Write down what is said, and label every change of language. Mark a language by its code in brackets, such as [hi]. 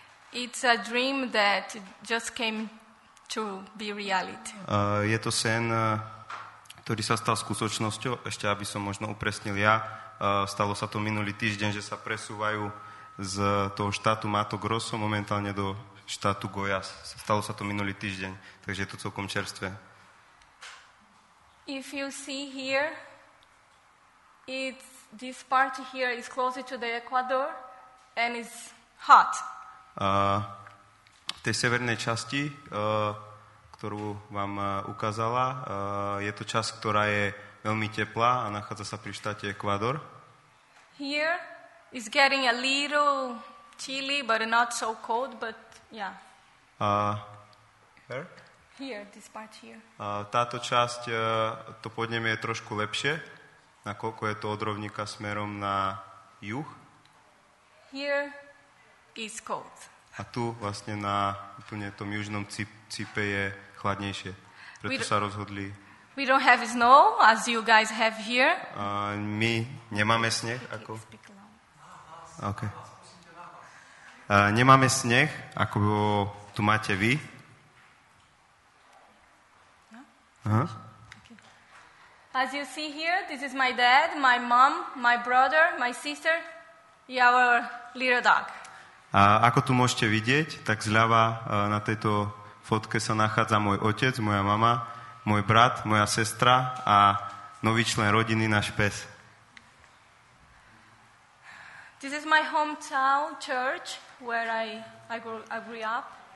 [en] It's a dream that just came to be reality. [sk] Je to sen, ktorý sa stal skutočnosťou, ešte aby som možno upresnil ja. Stalo sa to minulý týždeň, že sa presúvajú z toho štátu Mato Grosso momentálne do štátu Goiás. Stalo sa to minulý týždeň, takže je to celkom čerstvé. [en] If you see here, this part here is closer to the Ecuador and is hot. [sk] V tej severnej časti, ktorú vám ukázala, je to časť, ktorá je veľmi teplá a nachádza sa pri štáte Ekvador. [en] Here is getting a little chilly, but not so cold, but yeah. Here? Here, this part here. [sk] Táto časť, to podnebie je trošku lepšie, nakoľko je to od rovníka smerom na juh. [en] Here is cold. [sk] A tu vlastne na úplne tom južnom cípe je chladnejšie. Preto sa rozhodli. [en] We don't have snow as you guys have here. [sk] My nemáme sneh ako. Okay. Nemáme sneh ako tu máte vy. [en] As you see here, this is my dad, my mom, my brother, my sister, our little dog. [sk] A ako tu môžete vidieť, tak zľava na tejto fotke sa nachádza môj otec, moja mama, môj brat, moja sestra a nový člen rodiny, náš pes. [en] This is my hometown church where I grew up.